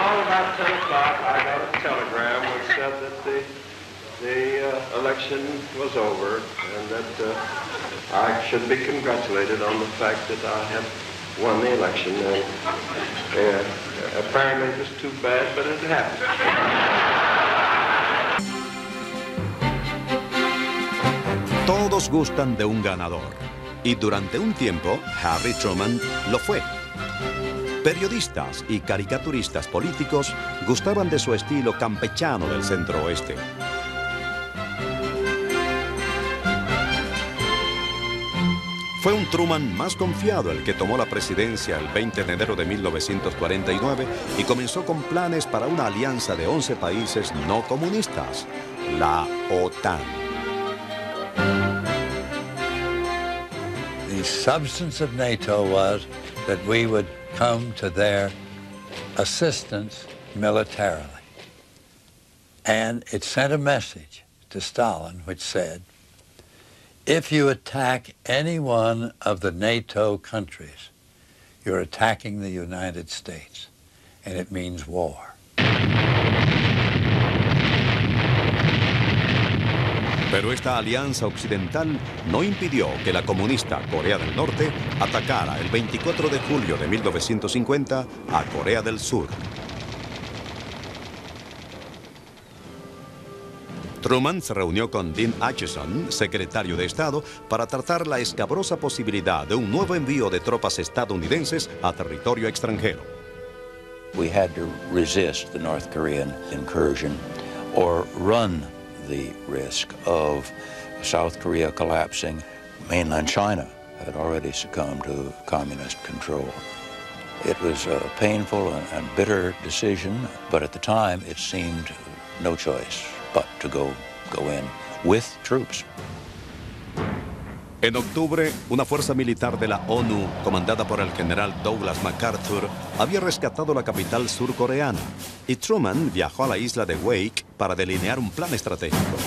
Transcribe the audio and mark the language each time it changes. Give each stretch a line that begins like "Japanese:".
English: About 10 o'clock, I got a telegram which said that the election was over and that I should be congratulated on the fact that I had won the election. Apparently, it was too bad, but it happened.
Spanish: Todos gustan de un ganador, y durante un tiempo, Harry Truman lo fue. Periodistas y caricaturistas políticos gustaban de su estilo campechano del centro oeste. Fue un Truman más confiado el que tomó la presidencia el 20 de enero de 1949 y comenzó con planes para una alianza de 11 países no comunistas, la OTAN.
English: The substance of NATO was that we would come to their assistance militarily. And it sent a message to Stalin which said, if you attack any one of the NATO countries, you're attacking the United States, and it means war.
Spanish: Pero esta alianza occidental no impidió que la comunista Corea del Norte atacara el 24 de julio de 1950 a Corea del Sur. Truman se reunió con Dean Acheson, secretario de Estado, para tratar la escabrosa posibilidad de un nuevo envío de tropas estadounidenses a territorio extranjero.
English: We had to resist the North Korean incursion or run the risk of South Korea collapsing. Mainland China had already succumbed to communist control. It was a painful and bitter decision, but at the time it seemed no choice but to go in with troops.
Spanish: En octubre, una fuerza militar de la ONU, comandada por el general Douglas MacArthur, había rescatado la capital surcoreana, y Truman viajó a la isla de Wake para delinear un plan estratégico.